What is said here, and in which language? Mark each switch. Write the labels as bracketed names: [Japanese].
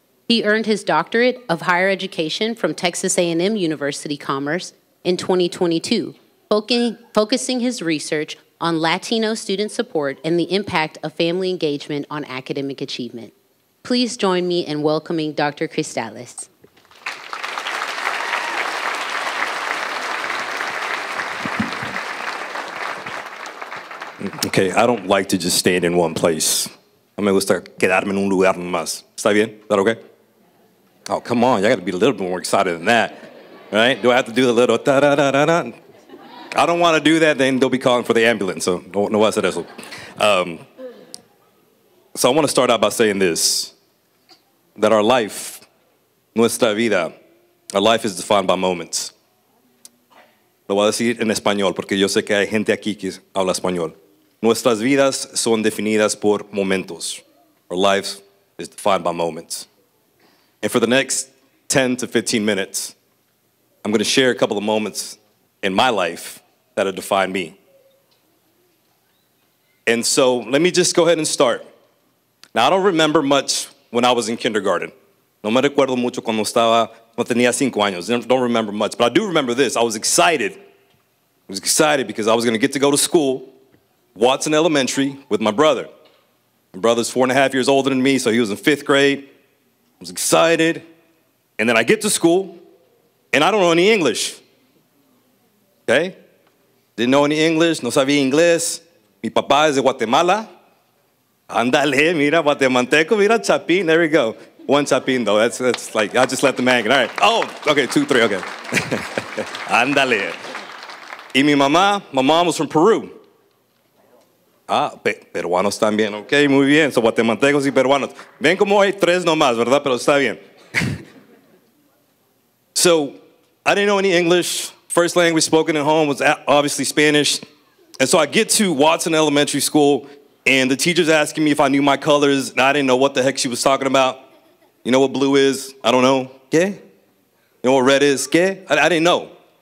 [English] He earned his doctorate of higher education from Texas A&M University Commerce in 2022, focusing his research on Latino student support and the impact of family engagement on academic achievement. Please join me in welcoming Dr. Cristales. Okay, I don't like to just stand in one place. [Spanish] No me gusta quedarme en un lugar más. ¿Está bien? [English] Is that okay? Oh, come on. You got to be a little bit more excited than that. Right? Do I have to do a little ta-da-da-da-da? I don't want to do that. Then they'll be calling for the ambulance. So, [Spanish] no voy a hacer eso. [English] So I want to start out by saying this. That our life, [Spanish] nuestra vida, [English] our life is defined by moments. [Spanish] Lo voy a decir en español porque yo sé que hay gente aquí que habla español. Nuestras vidas son definidas por momentos. [English] Our lives is defined by moments. And for the next 10 to 15 minutes, I'm going to share a couple of moments in my life that have defined me. And so let me just go ahead and start. Now, I don't remember much when I was in kindergarten. [Spanish] No me recuerdo mucho cuando estaba, cuando tenía 5 años. [English] Don't remember much, but I do remember this. I was excited. I was excited because I was going to get to go to school Watson Elementary with my brother. My brother's 4.5 years older than me, so he was in fifth grade. I was excited. And then I get to school, and I don't know any English. Okay? Didn't know any English. [Spanish] No sabía inglés. Mi papá es de Guatemala. Andale, mira, guatemalteco, mira, chapín. [English] There we go. One chapín, though. That's like, I just left the man. All right. Oh, okay, 2, 3, okay. Andale. Y my mom was from Peru. [Spanish] Ah, peruanos también. [English] Okay, [Spanish] muy bien. So guatemaltecos y peruanos. Ven como hay tres nomás, ¿verdad? Pero está bien. [English] So, I didn't know any English. First language spoken at home was obviously Spanish. And so I get to Watson Elementary School, and the teacher's asking me if I knew my colors, and I didn't know what the heck she was talking about. You know what blue is? I don't know. ¿Qué? You know what red is? ¿Qué? I didn't know.